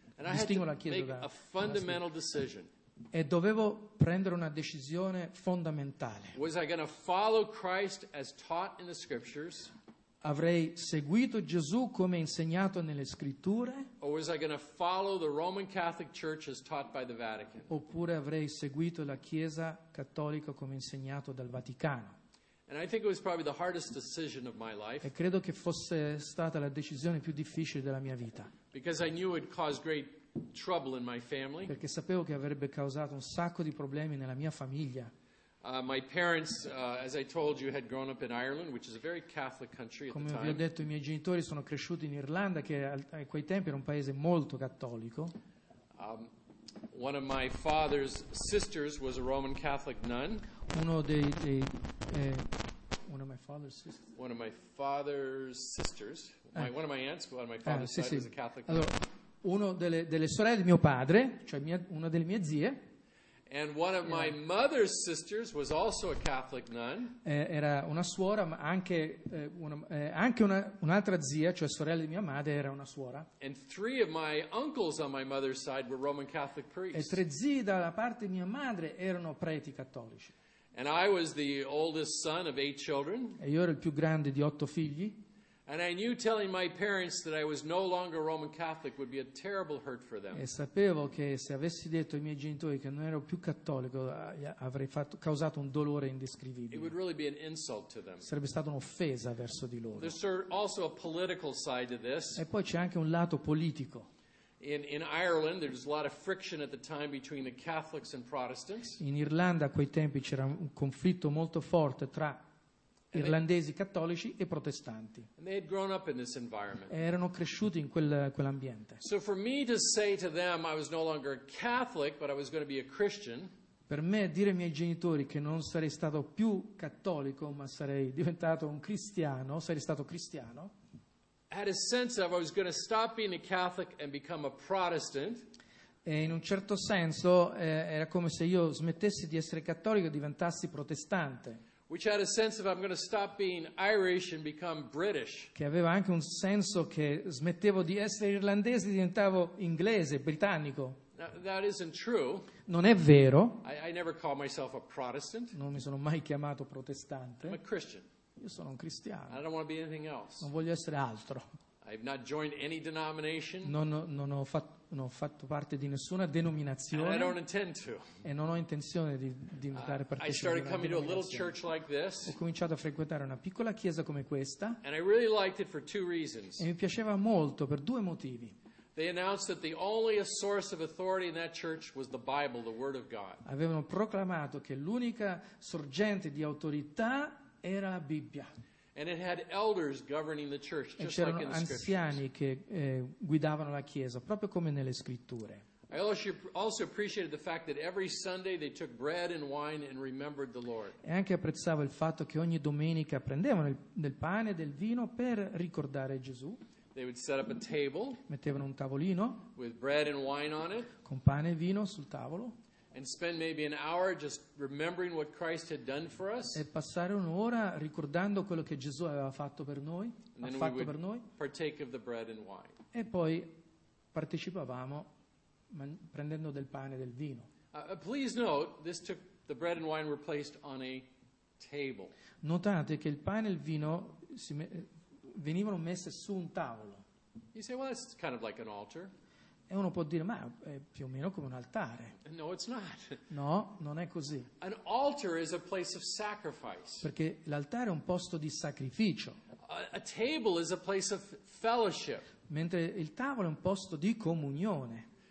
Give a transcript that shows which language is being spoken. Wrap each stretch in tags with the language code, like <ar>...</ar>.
<en>And I had to make a fundamental decision.</en> <it>E dovevo prendere una decisione fondamentale.</it> <en>Was I going to follow Christ as taught in the scriptures?</en> <it>Avrei seguito Gesù come insegnato nelle scritture?</it> <en>Or was I going to follow the Roman Catholic Church as taught by the Vatican?</en> <it>Oppure avrei seguito la Chiesa cattolica come insegnato dal Vaticano?</it> <en>And I think it was probably the hardest decision of my life.</en> <it>E credo che fosse stata la decisione più difficile della mia vita.</it> <en>Because I knew it caused great trouble in my family.</en> <it>Perché sapevo che avrebbe causato un sacco di problemi nella mia famiglia.</it> <en>My parents, as I told you, had grown up in Ireland, which is a very Catholic country at the time.</en> <it>Come vi ho detto, i miei genitori sono cresciuti in Irlanda, che a quei tempi era un paese molto cattolico.</it> <en>One of my father's sisters was a Roman Catholic nun. One of my father's sisters, one of my aunts, was a Catholic.</en> <it>Allora, uno delle sorelle di mio padre, cioè una delle mie zie.</it> <en>And one of my mother's sisters was also a Catholic nun.</en> <it>Era una suora, ma anche un'altra zia, cioè sorella di mia madre, era una suora.</it> <en>And three of my uncles on my mother's side were Roman Catholic priests.</en> <it>E 3 zii dalla parte di mia madre erano preti cattolici.</it> <en>And I was the oldest son of 8 children.</en> <it>E io ero il più grande di 8 figli.</it> <en>And I knew telling my parents that I was no longer Roman Catholic would be a terrible hurt for them.</en> <it>E sapevo che se avessi detto ai miei genitori che non ero più cattolico avrei causato un dolore indescrivibile.</it> <en>It would really be an insult to them.</en> <it>Sarebbe stata un'offesa verso di loro.</it> <en>There's also a political side to this.</en> <it>E poi c'è anche un lato politico.</it> <en>In Ireland there was a lot of friction at the time between the Catholics and Protestants.</en> <it>In Irlanda a quei tempi c'era un conflitto molto forte tra irlandesi cattolici e protestanti.</it> <en>And they had grown up in this environment.</en> <it>E erano cresciuti in quell'ambiente.</it> <en>So for me to say to them I was no longer a Catholic but I was going to be a Christian.</en> <it>Per me dire ai miei genitori che non sarei stato più cattolico ma sarei diventato un cristiano, sarei stato cristiano.</it> <en>Had a sense of I was going to stop being a Catholic and become a Protestant.</en> <it>E in un certo senso era come se io smettessi di essere cattolico e diventassi protestante.</it> <en>which had a sense of I'm going to stop being Irish and become British.</en> <it>Che aveva anche un senso che smettevo di essere irlandese e diventavo inglese, britannico.</it> <en>Now, that isn't true.</en> <it>Non è vero.</it> <en>I never call myself a Protestant.</en> <it>Non mi sono mai chiamato protestante.</it> <en>I'm a Christian.</en> <it>Io sono un cristiano.</it> <en>I don't want to be anything else.</en> <it>Non voglio essere altro.</it> <en>I've not joined any denomination.</en> <it>Non ho fatto parte di nessuna denominazione.</it> <en>And I don't intend to.</en> <it>E non ho intenzione di diventare partecipante.</it> <en>I started coming to a little church like this.</en> <it>Ho cominciato a frequentare una piccola chiesa come questa.</it> <en>And I really liked it for two reasons.</en> <it>E mi piaceva molto per due motivi.</it> <en>They announced that the only source of authority in that church was the Bible, the Word of God.</en> <it>Avevano proclamato che l'unica sorgente di autorità era la Bibbia.</it> <en>And it had elders governing the church, just like in the scriptures.</en> <it>Anziani che guidavano la chiesa, proprio come nelle scritture.</it> <en>I also appreciated the fact that every Sunday they took bread and wine and remembered the Lord.</en> <it>E anche apprezzavo il fatto che ogni domenica prendevano del pane e del vino per ricordare Gesù.</it> <en>They would set up a table.</en> <it>Mettevano un tavolino.</it> <en>With bread and wine on it.</en> <it>Con pane e vino sul tavolo.</it> <en>And spend maybe an hour just remembering what Christ had done for us.</en> <it>E passare un'ora ricordando quello che Gesù aveva fatto per noi,</it> <en>and</en> <it>ha</it> <en>then</en> <it>fatto</it> <en>we would</en> <it>per noi.</it> <en>Partake of the bread and wine.</en> <it>E poi partecipavamo prendendo del pane e del vino.</it> <en>Please note, this took the bread and wine were placed on a table.</en> <it>Notate che il pane e il vino venivano messe su un tavolo.</it> <en>You say, well, it's kind of like an altar.</en> <it>E uno può dire, ma è più o meno come un altare.</it> <en>No, it's not.</en> <it>No, non è così.</it> <en>An altar is a place of sacrifice.</en> <it>Perché l'altare è un posto di sacrificio.</it> <en>A table is a place of fellowship.</en> <it>Mentre il tavolo è un posto di comunione.</it>